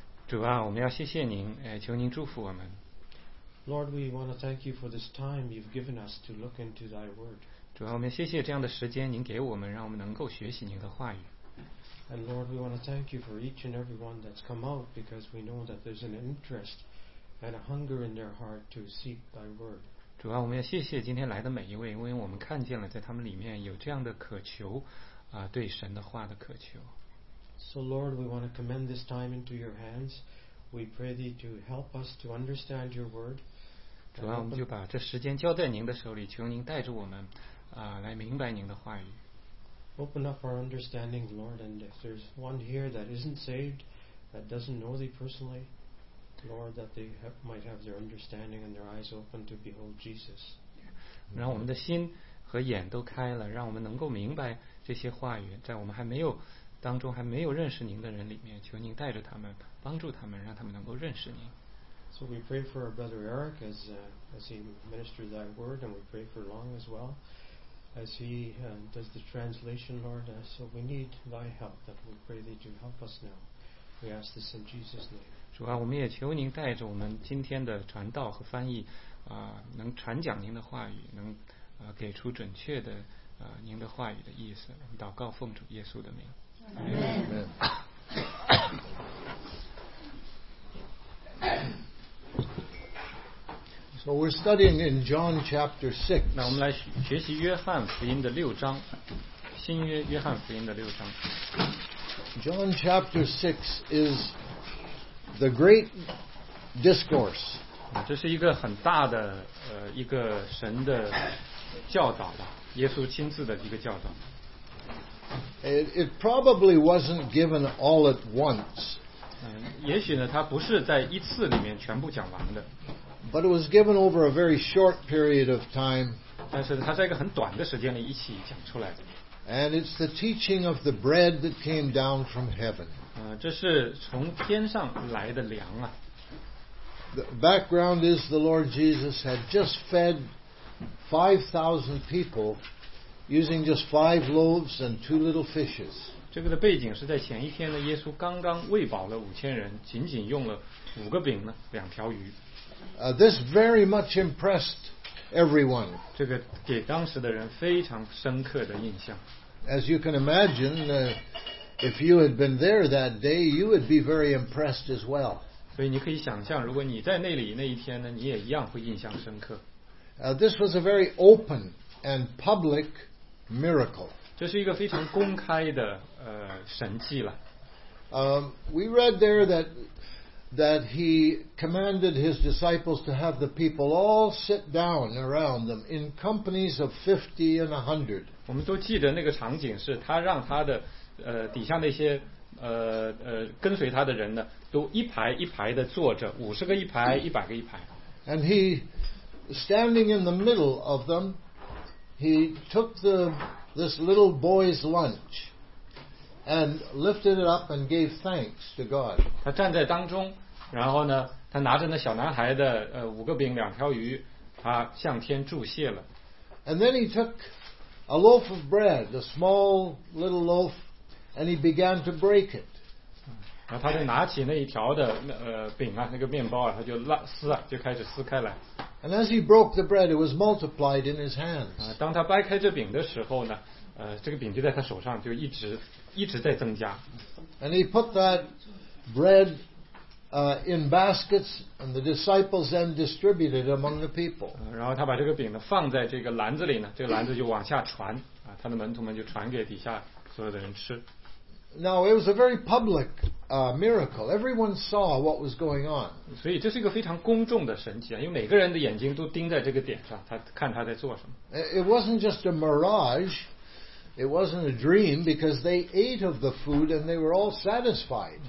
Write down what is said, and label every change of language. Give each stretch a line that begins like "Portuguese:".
Chinese: 主啊，我们要谢谢您，求您祝福我们。
English: Lord, we want to thank you for this time you've given us to look into thy word.
Chinese: 主啊，我们谢谢这样的时间您给我们，让我们能够学习您的话语。
English: And Lord, we want to thank you for each and every one that's come out because we know that there's an interest and a hunger in their heart to seek thy word.
Chinese: 主啊，我们要谢谢今天来的每一位，因为我们看见了在他们里面有这样的渴求，对神的话的渴求。
English: So Lord, we want to commend this time into your hands. We pray thee to help us to understand your word.
Chinese: 主啊，我们就把这时间交在您的手里，求您带着我们，来明白您的话语。
English: Open up our understanding, Lord, and if there's one here that isn't saved, that doesn't know thee personally, Lord, that they might have their understanding and their eyes open to behold Jesus.
Chinese: 让我们的心和眼都开了，让我们能够明白这些话语，在我们还没有当中还没有认识您的人里面，求您带着他们，帮助他们，让他们能够认识您。
English: So we pray for our brother Eric as he ministers thy word, and we pray for Long as well. As he does the translation, Lord, so we need thy help, that we pray thee to help us now. We ask this in Jesus' name.
Chinese: 主啊，我们也求您带着我们今天的传道和翻译，能传讲您的话语，能给出准确的您的话语的意思。我们祷告奉主耶稣的名。
English: Amen. So we're studying in John chapter 6.
Chinese: 那我们来学习约翰福音的六章，新约约翰福音的六章。
English: John chapter 6 is the great discourse.
Chinese: 这是一个很大的一个神的教导吧，耶稣亲自的一个教导。
English: It probably wasn't given all at once.
Chinese: 也许呢，它不是在一次里面全部讲完的。
English: But it was given over a very short period of time.
Chinese: 但是它在一个很短的时间里一起讲出来。
English: And it's the teaching of the bread that came down from heaven.
Chinese: 这是从天上来的粮啊。
English: The background is the Lord Jesus had just fed 5,000 people using just 5 loaves and 2 little fishes.
Chinese: 这个的背景是在前一天呢，耶稣刚刚喂饱了5,000人，仅仅用了5个饼呢，2条鱼。
English: This very much impressed everyone.
Chinese: 这个给当时的人非常深刻的印象。
English: As you can imagine, if you had been there that day, you would be very impressed as well.
Chinese: 所以你可以想象，如果你在那里那一天呢，你也一样会印象深刻。
English: This was a very open and public miracle.
Chinese: 这是一个非常公开的神迹了。
English: We read there that he commanded his disciples to have the people all sit down around them in companies of 50 and 100.
Chinese: 我们都记得那个场景是他让他的底下那些跟随他的人呢都一排一排的坐着，50个一排，100个一排。
English: And he standing in the middle of them, he took this little boy's lunch. And lifted it up and gave thanks to God.
Chinese: 他站在当中，然后呢，他拿着那小男孩的5个饼2条鱼，他向天祝谢了。
English: And then he took a loaf of bread, a small little loaf, and he began to break it.
Chinese: 然后他就拿起那一条的饼啊，那个面包啊，他就撕啊，就开始撕开来。 And as he broke the bread, it was multiplied in his hands. 当他掰开这饼的时候呢，这个饼就在他手上就一直。一直在增加。
English: And he put that bread in baskets, and the disciples then distributed among the people.
Chinese: 然后他把这个饼呢放在这个篮子里呢，这个篮子就往下传啊，他的门徒们就传给底下所有的人吃。
English: Now it was a very public miracle. Everyone saw what was going on.
Chinese: 所以这是一个非常公众的神迹啊，因为每个人的眼睛都盯在这个点上，他看他在做什么。
English: It wasn't just a mirage. It wasn't a dream because they ate of the food and they were all satisfied.